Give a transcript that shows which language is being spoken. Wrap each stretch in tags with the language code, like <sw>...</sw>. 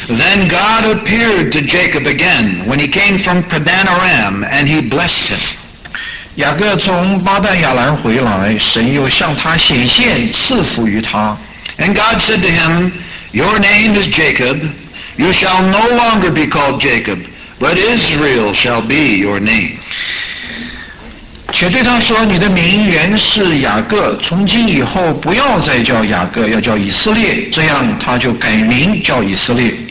<en>Then God appeared to Jacob again when he came from Padan Aram and he blessed him.</en> <zh>雅各从巴旦亚兰回来，神又向他显现，赐福于他。</zh> <en>And God said to him, Your name is Jacob. You shall no longer be called Jacob, but Israel shall be your name.</en> <zh>且对他说，你的名原是雅各，从今以后不要再叫雅各，要叫以色列，这样他就改名叫以色列。</zh>